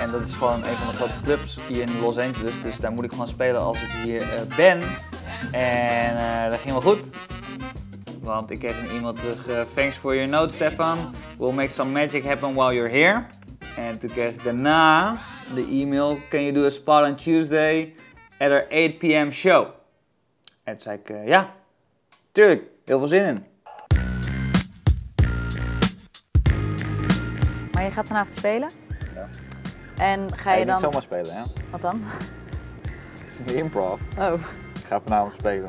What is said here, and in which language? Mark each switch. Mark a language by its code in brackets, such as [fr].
[nl] En dat is gewoon een van de grootste clubs hier in Los Angeles. Dus daar moet ik gewoon spelen als ik hier ben. En dat ging wel goed. Want ik kreeg een e-mail terug. [en] Thanks for your note, Stefan. We'll make some magic happen while you're here. [nl] En toen kreeg ik daarna de e-mail. [en] Can you do a spot on Tuesday at our 8 p.m. [nl] show? En toen zei ik, ja. Tuurlijk, heel veel zin in. Maar je gaat vanavond spelen? Ja. En ga je dan... Niet zomaar spelen, hè? Wat dan? Het is een improv. Oh. Ik ga vanavond spelen.